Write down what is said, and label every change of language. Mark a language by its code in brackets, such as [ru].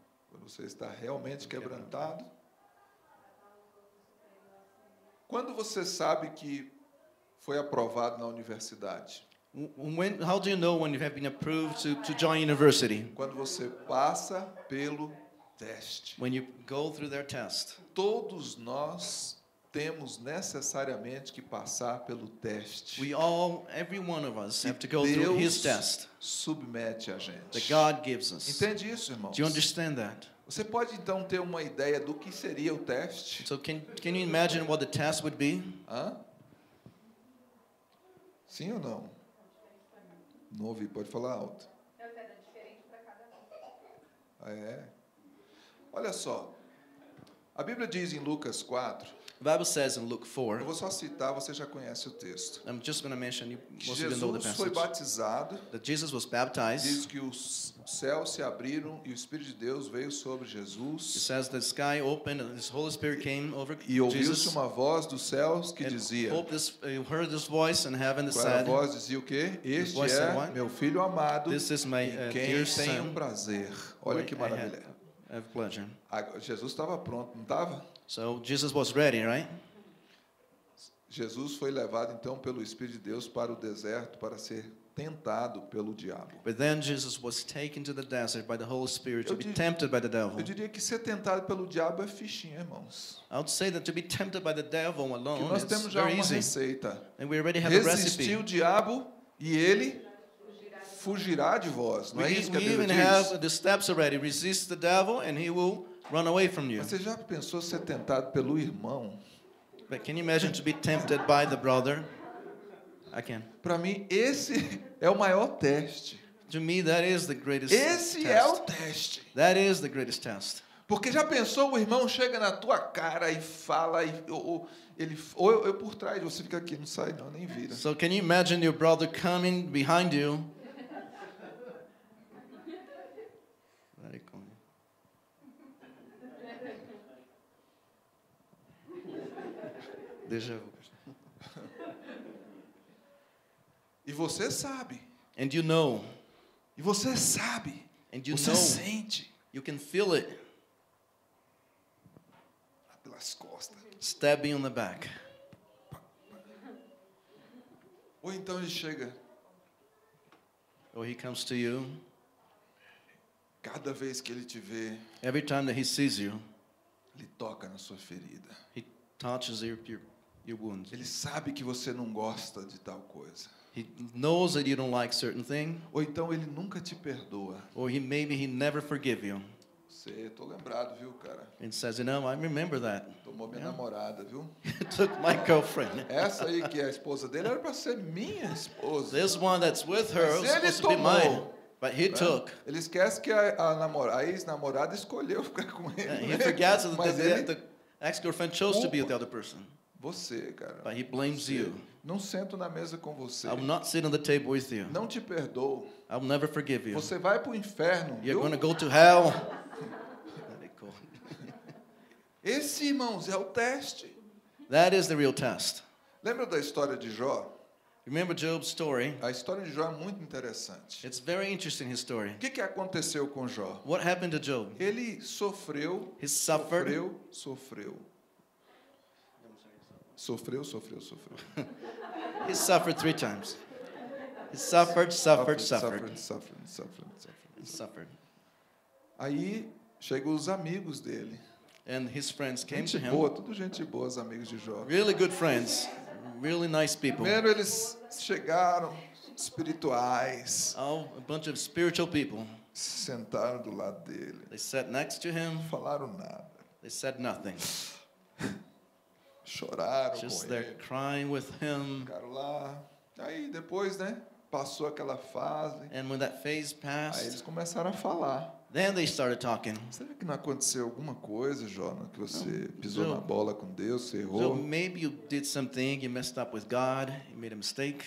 [pt] Quando você está realmente quebrantado. Quando você sabe que foi aprovado na universidade? [en] When, how do you know when you have been approved to join university? [pt] Quando você passa pelo teste. [en] When you go through their test. [pt] Todos nós temos necessariamente que passar pelo teste. [en] We all, every one of us, have to go through his test. [pt] Deus submete a gente. [en] That God gives us. [pt] Entende isso, irmãos? [en] Do you understand that? [pt] Você pode então ter uma ideia do que seria o teste? [en] So can you imagine what the test would be? Hã? [pt] Sim ou não? Não ouvi, pode falar alto. É diferente para cada um. É. Olha só. A Bíblia diz em Lucas 4. [en] The Bible says in Luke 4. [pt] Eu vou só citar, você já conhece o texto. [en] I'm just going to mention you most of you know the passage. [pt] Jesus foi batizado. [en] That Jesus was baptized. [pt] Diz que os céus se abriram e o Espírito de Deus veio sobre Jesus. [en] It says the sky opened and his Holy Spirit came over Jesus. [pt] E ouviu-se uma voz dos céus que dizia. [en] You heard this voice in heaven that said. [pt] A voz dizia o quê? Este é meu filho amado. [en] This is my dear son. [pt] Tenho prazer. Olha que maravilha. [en] I have pleasure. [pt] Jesus estava pronto, não estava? [en] So Jesus was ready, right? [pt] Jesus foi levado então pelo Espírito de Deus para o deserto para ser tentado pelo diabo. [en] But then Jesus was taken to the desert by the Holy Spirit to be tempted by the devil. [pt] Eu diria que ser tentado pelo diabo é fichinha, irmãos. [en] I would say that to be tempted by the devil alone is very easy. [pt] Que nós temos já uma receita. [en] And we already have a recipe. [pt] Resistir o diabo e ele fugirá de vós, não é isso que a Bíblia diz? [en] We even have the steps already. Resist the devil and he will run away from you. [pt] Você já pensou ser tentado pelo irmão? [en] But can you imagine to be tempted by the brother? I can. [pt] Para mim, esse é o maior teste. [en] To me, that is the greatest [pt] esse Esse é o teste. [en] That is the greatest test. [pt] Porque já pensou o irmão chega na tua cara e fala e ou por trás você fica aqui, não sai não, nem vira. [en] So can you imagine your brother coming behind you? [pt] Deixa eu. E você sabe. [en] And you know. [pt] E você sabe. [en] And you [pt] você [en] know. [pt] Sente. [en] You can feel it. [pt] Pelas costas. [en] Stabbing on the back. [pt] Ou então ele chega. [en] Or he comes to you. [pt] Cada vez que ele te vê. [en] Every time that he sees you. [pt] Ele toca na sua ferida. [en] He touches your wound. [pt] Ele sabe que você não gosta de tal coisa. [en] He knows that you don't like certain thing. [pt] Ou então ele nunca te perdoa. [en] Or he, maybe he never forgive you. [pt] Você, tô lembrado, viu, cara? [en] And says, you know, I remember that. [pt] Tomou minha namorada, viu? [en] Took my girlfriend. [pt] Essa aí que é a esposa dele era para ser minha esposa. [en] This one that's with her was supposed [pt] tomou. [en] To be mine. But he took. [pt] Ele esquece que a ex-namorada escolheu ficar com ele. [en] Yeah, he forgets that the ex-girlfriend chose to be with the other person. [pt] Você, cara. [en] But he blames you. [pt] Não sento na mesa com você. [en] I will not sit on the table with you. [pt] Não te perdoo. [en] I will never forgive you. [pt] Você vai pro inferno. [en] You're going to go to hell. [pt] Esse, irmãos, é o teste. [en] That is the real test. [pt] Lembra da história de Jó? [en] Remember Job's story? [pt] A história de Jó é muito interessante. [en] It's very interesting, his story. [pt] O que que aconteceu com Jó? [en] What happened to Job? [pt] Ele sofreu. [en] He suffered. [pt] Sofreu. Sofreu, sofreu, sofreu. [en] He suffered three times. He suffered, suffered, suffered. Suffered, suffered, suffered, suffered. [pt] Aí chegou os amigos dele. [en] And his friends came [pt] gente [en] to him. [pt] Gente boa, tudo gente boa, os amigos de Jó. [en] Really good friends. Really nice people. [pt] Primeiro eles chegaram, espirituais. [en] All a bunch of spiritual people. [pt] Sentaram do lado dele. [en] They sat next to him. [pt] Não falaram nada. [en] They said nothing. [pt] Choraram [en] just [pt] com ele. [en] Just there crying with him. [pt] Ficaram lá. Aí depois, né? Passou aquela fase. [en] And when that phase passed. [pt] Aí eles começaram a falar. [en] Then they started talking. [pt] Será que não aconteceu alguma coisa, Jonas, que você pisou na bola com Deus, você errou? [en] So maybe you did something, you messed up with God, you made a mistake.